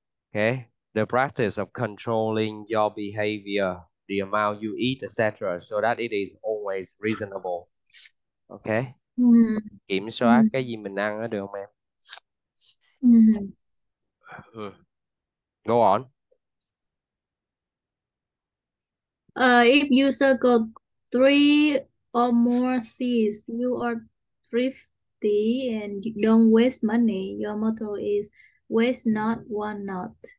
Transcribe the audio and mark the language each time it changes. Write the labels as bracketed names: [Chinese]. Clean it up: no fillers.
[English] Okay, the practice of controlling your behavior, the amount you eat, etc., so that it is always reasonable. [Vietnamese] Okay, kiểm soát cái gì mình ăn đó, được không em? [English] Go on. If you circle three or more C's, you are thrifty and you don't waste money. Your motto is waste not, want not.